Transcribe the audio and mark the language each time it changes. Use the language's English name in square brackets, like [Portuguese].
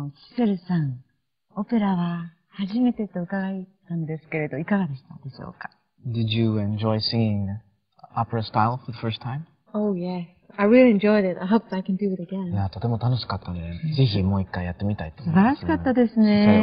[Japanese] シセルさん、オペラは初めてと伺ったんですけれど、いかがでしたでしょうか？ [English] Did you enjoy singing opera style for the first time? Oh, yes. I really enjoyed it. I hope I can do it again. [Japanese] いや、とても楽しかったので、ぜひもう一回やってみたいと思います。素晴らしかったですね。